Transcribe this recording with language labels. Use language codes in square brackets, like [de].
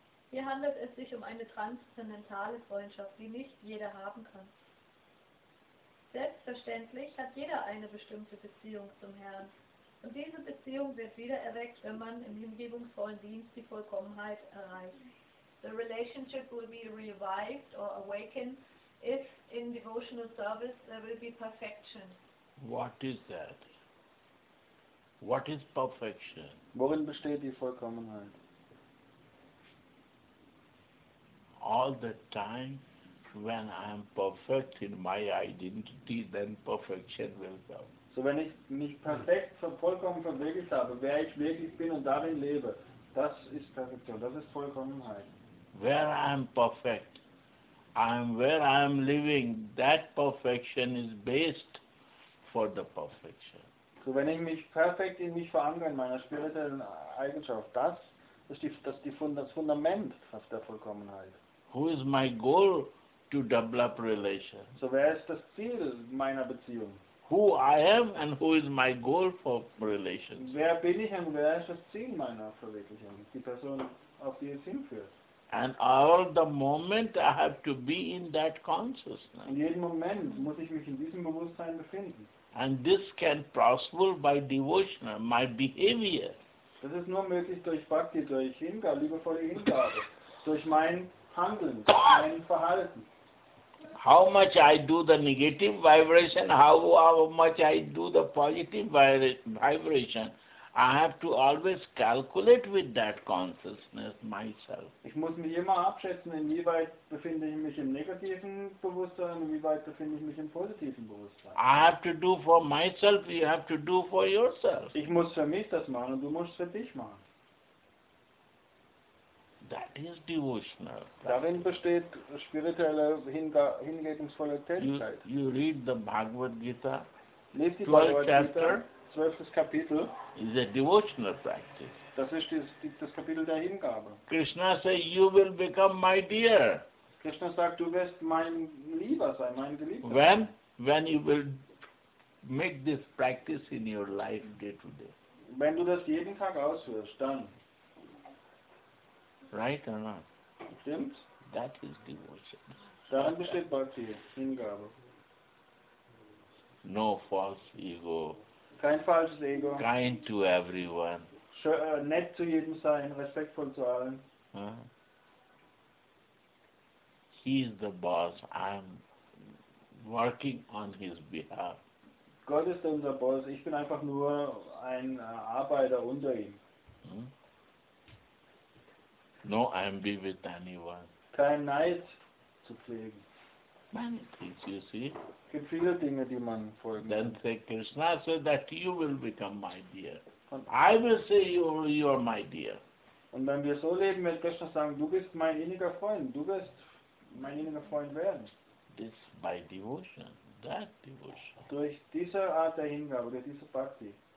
[de] Hier handelt es sich um eine transzendentale Freundschaft, die nicht jeder haben kann. Selbstverständlich hat jeder eine bestimmte Beziehung zum Herrn. Und diese Beziehung wird wieder erweckt, wenn man im hingebungsvollen Dienst die Vollkommenheit erreicht. [en] The relationship will be revived or awakened if in devotional service there will be perfection. What is that? What is perfection? [de] Worin besteht die Vollkommenheit? [en] All the time when I am perfect in my identity, then perfection will come. [de] So wenn ich mich perfekt vollkommen verwirklicht habe, wer ich wirklich bin und darin lebe, das ist Perfektion, das ist Vollkommenheit. [en] Where I am perfect, I am where I am living, that perfection is based for the perfection. [de] So wenn ich mich perfekt in mich verankere, in meiner spirituellen Eigenschaft, das ist das Fundament auf der Vollkommenheit. [en] Who is my goal to develop relation? [de] So wer ist das Ziel meiner Beziehung? [en] Who I am and who is my goal for relations? [de] Wer bin ich und wer ist das Ziel meiner Verwirklichung? Die Person, auf die es hinführt. [en] And all the moment I have to be in that consciousness. [de] In jedem Moment muss ich mich in diesem Bewusstsein befinden. [en] And this can possible by devotion, my behavior. [de] Das ist nur möglich durch Bhakti, durch Hingabe, liebevolle Hingabe, durch mein Handeln, mein Verhalten. [en] How much I do the negative vibration, how much I do the positive vibration. I have to always calculate with that consciousness myself. [de] Ich muss mich immer abschätzen, inwieweit befinde ich mich im negativen Bewusstsein, inwieweit befinde ich mich im positiven Bewusstsein. [en] I have to do for myself, you have to do for yourself. [de] Ich muss für mich das machen und du musst für dich machen. [en] That is devotional. [de] Darin besteht spirituelle hingebungsvolle Tätigkeit. [en] You read the Bhagavad Gita, 12th chapter. [de] 12. Kapitel [en] is a devotional practice. [de] Das ist das Kapitel der Hingabe. [en] Krishna says, you will become my dear. [de] Krishna sagt, du wirst mein Lieber sein, mein Geliebter. [en] When you will make this practice in your life day to day. [de] Wenn du das jeden Tag ausführst, dann. [en] Right or not? [de] Stimmt. [en] That is devotion. [de] Darin besteht Bhakti, Hingabe. [en] No false ego. [de] Kein falsches Ego. [en] Kind to everyone. [de] Nett zu jedem sein, respektvoll zu allen. [en] He is the boss. I'm working on his behalf. [de] Gott ist unser Boss. Ich bin einfach nur ein Arbeiter unter ihm. [en] No envy with anyone. [de] Kein Neid zu pflegen. [en] Many things, you see. [de] Es gibt viele Dinge, die man folgen kann. [en] Then Krishna said that you will become my dear. I will say you are my dear. [de] Und wenn wir so leben, wird Krishna sagen, du bist mein inniger Freund. Du wirst mein inniger Freund werden. [en] This by devotion, that devotion. [de] Durch diese Art der Hingabe, durch diese Bhakti.